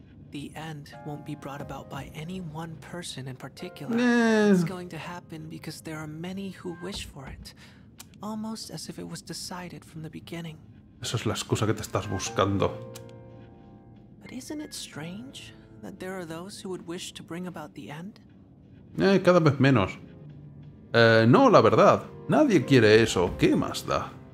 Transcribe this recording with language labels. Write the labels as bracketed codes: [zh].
[en] The end won't be brought about by any one person in particular. It's going to happen because there are many who wish for it, almost as if it was decided from the beginning. [es] Esa es la excusa que te estás buscando. [en] But isn't it strange that there are those who would wish to bring about the end? [es] Cada vez menos. No, la verdad, nadie quiere eso. ¿Qué más da?